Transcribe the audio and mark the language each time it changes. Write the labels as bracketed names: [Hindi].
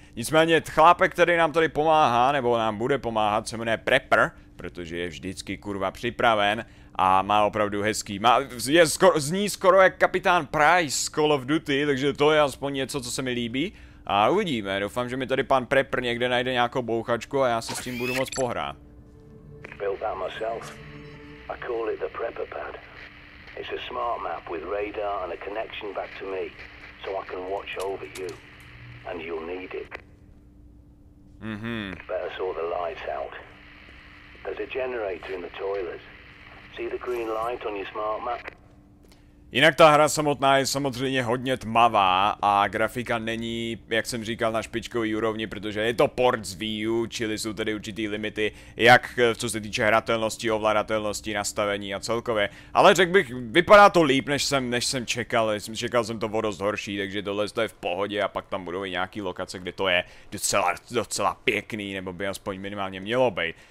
[Czech] Nicméně chlápek, který nám tady pomáhá, nebo nám bude pomáhat, se jmenuje Prepper, protože je vždycky kurva připraven a má opravdu hezký, zní skoro jak kapitán Price z Call of Duty, takže to je aspoň něco, co se mi líbí. A uvidíme, doufám, že mi tady pan Prepper někde najde nějakou bouchačku a já se s tím budu moc pohrát. [English] Built that myself. I call it the Prepper Pad. It's a smart map with radar and a connection back to me, so I can watch over you. And you'll need it. Mm-hmm. Better sort the lights out. There's a generator in the toilet. See the green light on your smart map? [Czech] Jinak ta hra samotná je samozřejmě hodně tmavá a grafika není, jak jsem říkal, na špičkový úrovni, protože je to port z Wii U, čili jsou tedy určitý limity, jak co se týče hratelnosti, ovladatelnosti, nastavení a celkově. Ale řekl bych, vypadá to líp, než jsem čekal, čekal jsem to o dost horší, takže tohle je v pohodě a pak tam budou i nějaký lokace, kde to je docela pěkný, nebo by aspoň minimálně mělo být.